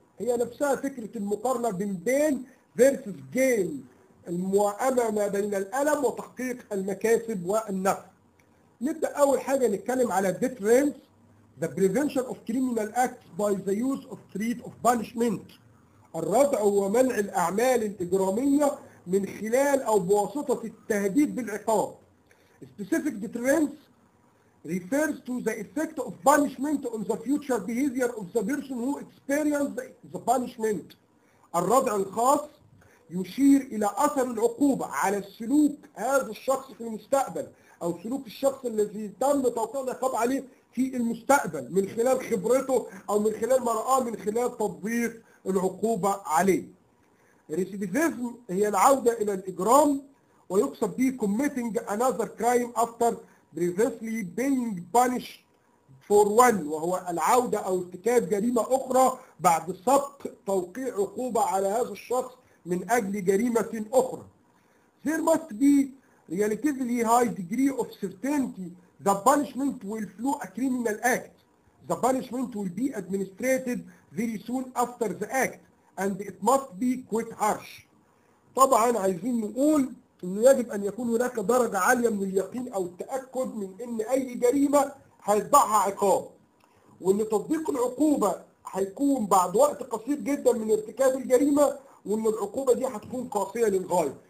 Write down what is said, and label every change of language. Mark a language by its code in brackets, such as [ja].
[ar] هي نفسها فكرة المقارنة بين بين versus gain، الموائمة ما بين الألم وتحقيق المكاسب والنفع. نبدأ أول حاجة نتكلم على [en] deterrence، the prevention of criminal acts by the use of threat of punishment. [ar] الردع هو منع الأعمال الإجرامية من خلال أو بواسطة التهديد بالعقاب. [en] specific deterrence refers to the effect of punishment on the future behavior of the person who experienced the punishment. [ar] الردع الخاص يشير إلى أثر العقوبة على سلوك هذا الشخص في المستقبل أو سلوك الشخص الذي تم توقيع العقاب عليه في المستقبل من خلال خبرته أو من خلال ما رآه من خلال تطبيق العقوبة عليه. [en] Recidivism [ar] هي العودة إلى الإجرام ويقصد به [en] committing another crime after previously being punished for one, [ar] وهو العودة أو ارتكاب جريمة أخرى بعد سبق توقيع عقوبة على هذا الشخص من أجل جريمة أخرى. [en] There must be relatively high degree of certainty the punishment will flow a criminal act. The punishment will be administrated very soon after the act and it must be quite harsh. [ar] طبعا عايزين نقول انه يجب ان يكون هناك درجة عالية من اليقين او التأكد من ان اي جريمة هيتبعها عقاب، وان تطبيق العقوبة هيكون بعد وقت قصير جدا من ارتكاب الجريمة، وان العقوبة دي هتكون قاسية للغاية.